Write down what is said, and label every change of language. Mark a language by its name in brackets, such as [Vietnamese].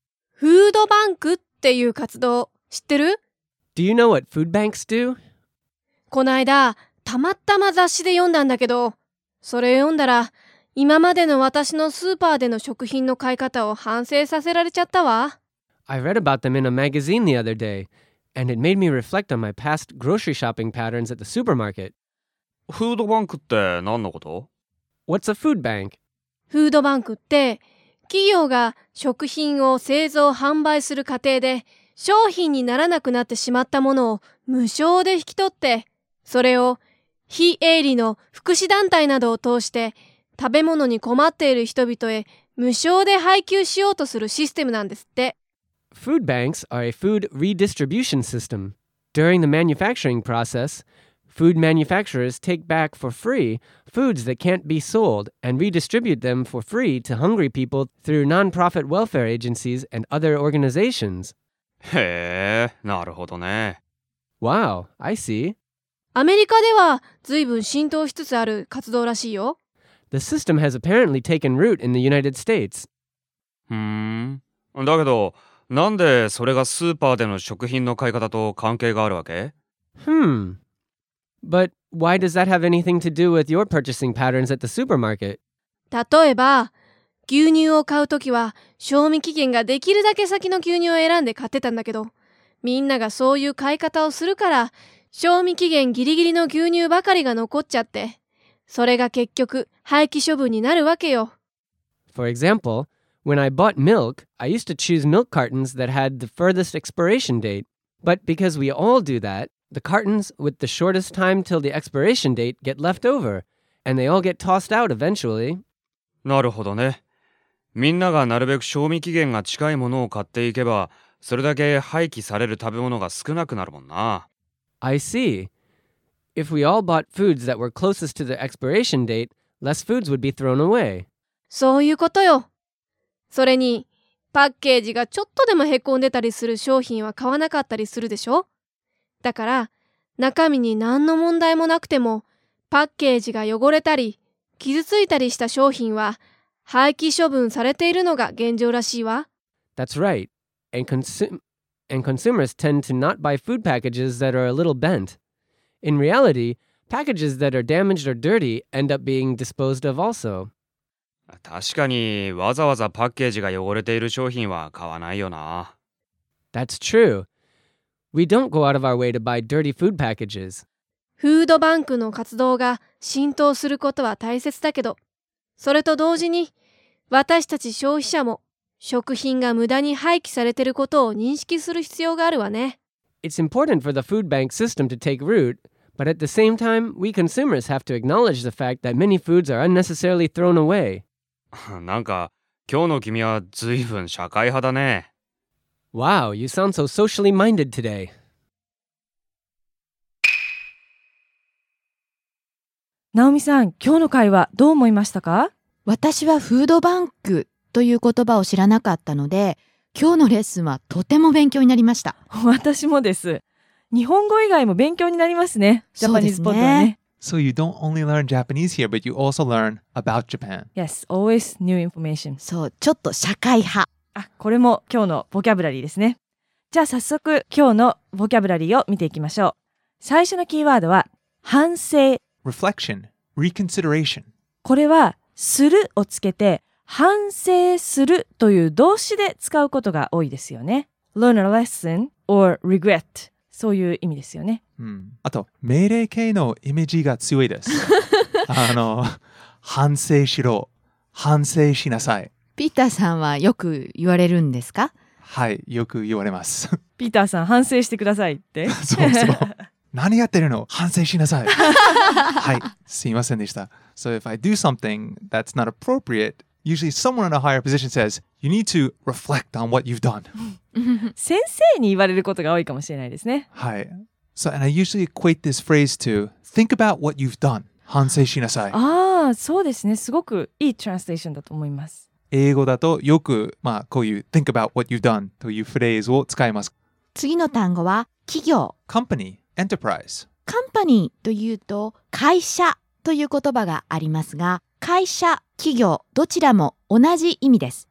[Japanese] フードバンクっていう活動知ってる？ [English] Do you know what food banks do? [Japanese] こないだたまたま雑誌で読んだんだけど、それ読んだら今までの私のスーパーでの食品の買い方を反省させられちゃったわ。 [English] I read about them in a magazine the other day, and it made me reflect on my past grocery shopping patterns at the supermarket. [Japanese] フードバンクって何のこと？ [English] What's a food bank? [Japanese] フードバンクって企業が食品を製造販売する過程で商品にならなくなってしまったものを無償で引き取って、それを非営利の福祉団体などを通して食べ物に困っている人々へ無償で配給しようとするシステムなんですって。 [English] Food banks are a food redistribution system. During the manufacturing process, food manufacturers take back for free foods that can't be sold and redistribute them for free to hungry people through non-profit welfare agencies and other organizations. [Japanese] へえ、なるほどね。 [English] Wow, I see. [Japanese] アメリカでは随分浸透しつつある活動らしいよ。 [English] The system has apparently taken root in the United States. [Japanese] だけど、なんでそれがスーパーでの食品の買い方と関係があるわけ？ Hmm. [English] But why does that have anything to do with your purchasing patterns at the supermarket? [Japanese] 例えば、牛乳を買うときは、賞味期限ができるだけ先の牛乳を選んで買ってたんだけど、みんながそういう買い方をするから、賞味期限ギリギリの牛乳ばかりが残っちゃって、それが結局、廃棄処分になるわけよ。 [English] For example, when I bought milk, I used to choose milk cartons that had the furthest expiration date. But because we all do that, the cartons with the shortest time till the expiration date get left over, and they all get tossed out eventually. [Japanese] なるほどね。みんながなるべく賞味期限が近いものを買っていけば、それだけ廃棄される食べ物が少なくなるもんな。 [English] I see. If we all bought foods that were closest to the expiration date, less foods would be thrown away. [Japanese] そういうことよ。それに、パッケージがちょっとでもへこんでたりする商品は買わなかったりするでしょ? だから、中身に何の問題もなくても、パッケージが汚れたり、傷ついたりした商品は、廃棄処分されているのが現状らしいわ。 [English] That's right. And consumers tend to not buy food packages that are a little bent. In reality, packages that are damaged or dirty end up being disposed of also. [Japanese] 確かに、わざわざパッケージが汚れている商品は買わないよな。 [English] That's true. We don't go out of our way to buy dirty food packages. [Japanese] フードバンクの活動が浸透することは大切だけど、それと同時に、私たち消費者も食品が無駄に廃棄されていることを認識する必要があるわね。 [English] It's important for the food bank system to take root. But at the same time, we consumers have to acknowledge the fact that many foods are unnecessarily thrown away. [Japanese] なんか、今日の君は随分社会派だね。 [English] Wow, you sound so socially minded today. [Japanese] ナオミさん、今日の会話どう思いましたか? 私はフードバンクという言葉を知らなかったので、今日のレッスンはとても勉強になりました。私もです。日本語以外も勉強になりますね。ジャパニーズポッドはね。 [English] So you don't only learn Japanese here, but you also learn about Japan. Yes, always new information. [Japanese] そう、ちょっと社会派。あ、これも今日のボキャブラリーですね。じゃあ早速今日のボキャブラリーを見ていきましょう。最初のキーワードは反省。 [English] Reflection, reconsideration. [Japanese] これはするをつけて反省するという動詞で使うことが多いですよね。 [English] Learn a lesson or regret. [Japanese] そういう意味ですよね、うん、あと命令形のイメージが強いですあの反省しろ反省しなさいピーターさんはよく言われるんですかはいよく言われますピーターさん反省してくださいってそうそう何やってるの反省しなさいはいすいませんでした [English] So if I do something that's not appropriate usually someone in a higher position says you need to reflect on what you've done [Japanese] 先生に言われることが多いかもしれないですね。はい。 [English] So, and I usually equate this phrase to think about what you've done. [Japanese] 反省しなさい。ああ、そうですね。すごくいいトランスレーションだと思います。英語だとよく、まあ、こういう [English] think about what you've done [Japanese] というフレーズを使います。次の単語は企業。 [English] Company, enterprise. [Japanese] Company というと会社という言葉がありますが、会社、企業、どちらも同じ意味です。